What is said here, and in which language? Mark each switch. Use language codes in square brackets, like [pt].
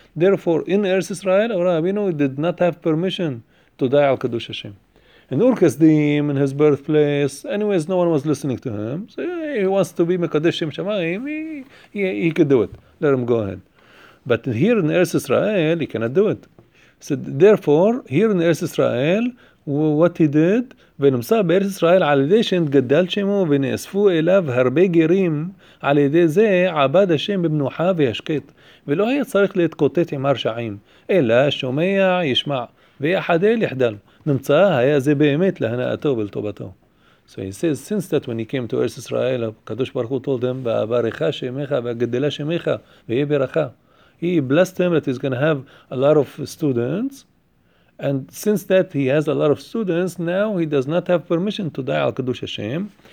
[en] Therefore, in Eretz Israel, Abraham Avinu did not have permission to die al Kiddush Hashem. In Ur Kasdim, in his birthplace, anyways, no one was listening to him. So he wants to be Mekadesh Shem Shamayim, he could do it. Let him go ahead. But here in Eretz Israel, he cannot do it. So therefore, here in Eretz Israel, what he did, [he] ונמצא בארץ ישראל על ידי שהם גדל שמו ונאספו אליו הרבה גרים על ידי זה עבד השם במנוחה וישקט ולא היה צריך להתקוטט עם הרשעים אלא שומע ישמע ויחדל יחדל נמצא היה זה באמת להנאתו ולטובתו. [en] So he says, since that when he came to Eretz Israel, הקדוש ברוך הוא told him, [he] והברכה שמך והגדלה שמך ויהיה ברכה. [en] He blessed him that he's going to have a lot of students. And since that he has a lot of students, now he does not have permission to die al-Kadosh Hashem.